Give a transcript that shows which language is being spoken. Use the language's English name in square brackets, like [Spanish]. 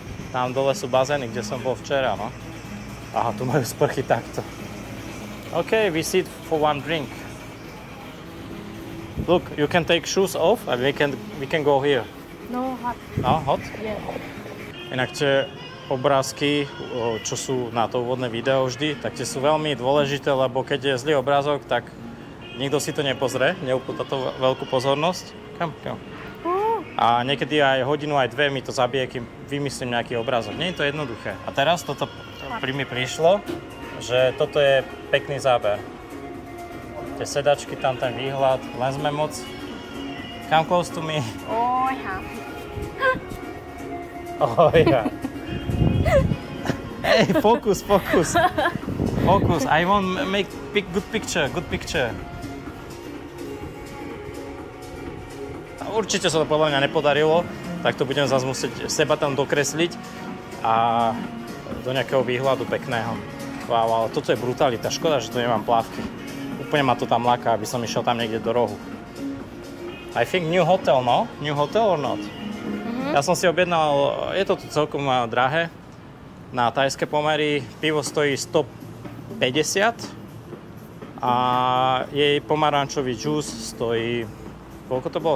[Slovak] Tam dole sú bazény, kde som bol včera, no? Aha, tu majú sprchy takto. [English] Okay, we sit for one drink. Look, you can take shoes off and we can go here. No, hot. No, hot? Yeah. [Slovak] Inak tie obrázky, čo sú na to úvodné video vždy, tak tie sú veľmi dôležité, lebo keď je zlý obrázok, tak nikto si to nepozrie, neupúta to veľkú pozornosť. [English] Come, come. [Slovak] A niekedy aj hodinu, aj dve mi to zabije, kým vymyslím nejaký obrázok. Nie je to jednoduché. A teraz toto pri mi prišlo, že toto je pekný záber. Tie sedačky, tam ten výhľad, len sme moc. [English] Come close to me. Oh, ja. Oh, ja. Hey, focus, focus. Focus, I want make good picture, good picture. [Slovak] Určite sa to podľa mňa nepodarilo, tak to budem zase musieť seba tam dokresliť a do nejakého výhľadu pekného. Wow, ale toto je brutalita, škoda, že tu nemám plavky. Úplne ma to tam láka, aby som išiel tam niekde do rohu. [English] I think new hotel, no? New hotel or not? Mm-hmm. [Slovak] Ja som si objednal, je to tu celkom drahé, na thajské pomery, pivo stojí 150 a jej pomarančový džús stojí... Koľko to bolo?